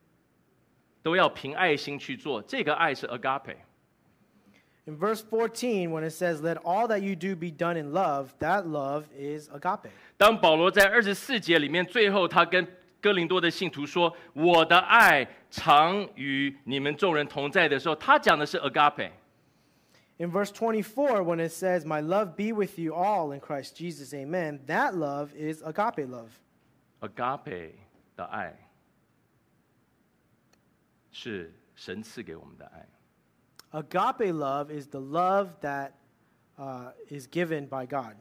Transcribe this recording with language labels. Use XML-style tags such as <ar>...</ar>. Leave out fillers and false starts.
<zh>14节里面，当保罗说，你们凡所做的一切，都要凭爱心去做，这个爱是 agape.</zh> <en>In verse 14, when it says, let all that you do be done in love, that love is agape.</en> <zh>当保罗在24节里面最后他跟哥林多的信徒说，我的爱常与你们众人同在的时候，他讲的是agape。</zh> <en>In verse 24, when it says, my love be with you all in Christ Jesus, amen, that love is agape love.</en> <zh>Agape的爱是神赐给我们的爱。</zh> <en>Agape love is the love that is given by God.</en>